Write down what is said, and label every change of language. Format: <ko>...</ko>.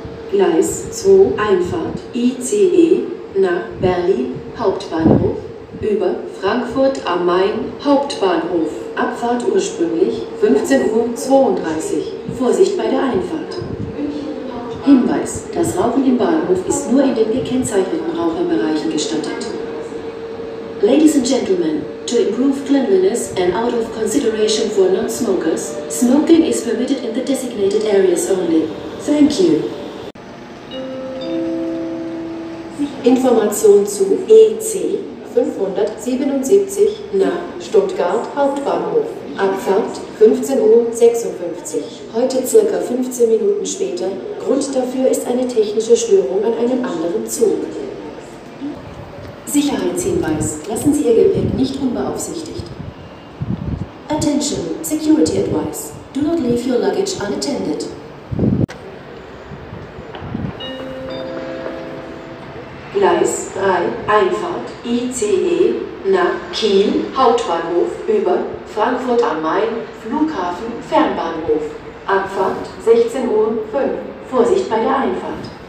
<de>Gleis 2 Einfahrt ICE nach Berlin Hauptbahnhof über Frankfurt am Main Hauptbahnhof. Abfahrt ursprünglich 15.32 Uhr. Vorsicht bei der Einfahrt. Hinweis: Das Rauchen im Bahnhof ist nur in den gekennzeichneten Raucherbereichen gestattet.</de> <en>Ladies and gentlemen, to improve cleanliness and out of consideration for non-smokers, smoking is permitted in the designated areas only. Thank you.</en> <de>Information zu EC 577 nach Stuttgart Hauptbahnhof. Abfahrt 15.56 Uhr. Heute circa 15 Minuten später. Grund dafür ist eine technische Störung an einem anderen Zug. Sicherheitshinweis: Lassen Sie Ihr Gepäck nicht unbeaufsichtigt.</de> <en>Attention, Security Advice: Do not leave your luggage unattended.</en> <de>Gleis 3 Einfahrt ICE nach Kiel Hauptbahnhof über Frankfurt am Main Flughafen Fernbahnhof. Abfahrt 16.05 Uhr. Vorsicht bei der Einfahrt.</de>